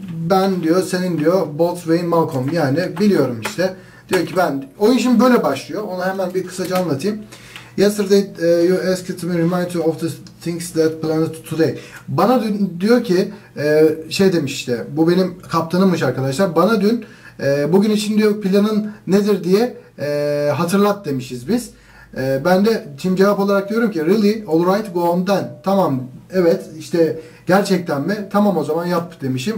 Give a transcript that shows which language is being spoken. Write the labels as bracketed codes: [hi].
[tr] Ben diyor, senin diyor, Boatswain Malcolm. Yani biliyorum işte. Diyor ki ben... Oyun şimdi böyle başlıyor. Onu hemen bir kısaca anlatayım. [en] Yesterday you asked me to remind you of the things that planned today. [tr] Bana dün diyor ki şey demiş işte, bu benim kaptanımmış arkadaşlar. Bana dün bugün için diyor planın nedir diye hatırlat demişiz biz. Ben de tim cevap olarak diyorum ki [en] really, all right, go on then. [tr] Tamam, evet, işte gerçekten mi? Tamam, o zaman yap demişim.